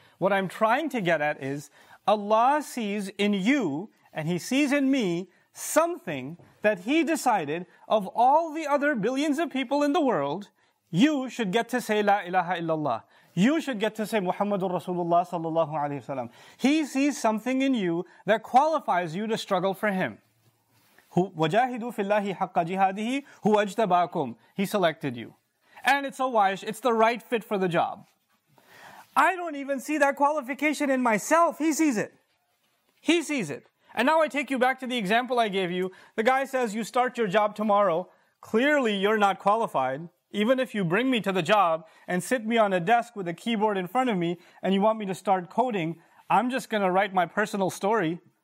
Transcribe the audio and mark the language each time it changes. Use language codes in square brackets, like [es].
[en] What I'm trying to get at is Allah sees in you and He sees in me something that He decided of all the other billions of people in the world, you should get to say [ar] La ilaha illallah. [en] You should get to say [ar] Muhammadur Rasulullah sallallahu alayhi wa sallam. [en] He sees something in you that qualifies you to struggle for Him. [ar] وَجَاهِدُوا فِي اللَّهِ حَقَّ جِهَادِهِ هُوَجْتَبَاكُمْ [en] He selected you. And it's a wise, it's the right fit for the job. I don't even see that qualification in myself. He sees it. He sees it. And now I take you back to the example I gave you. The guy says, you start your job tomorrow. Clearly you're not qualified. Even if you bring me to the job and sit me on a desk with a keyboard in front of me and you want me to start coding, I'm just going to write my personal story.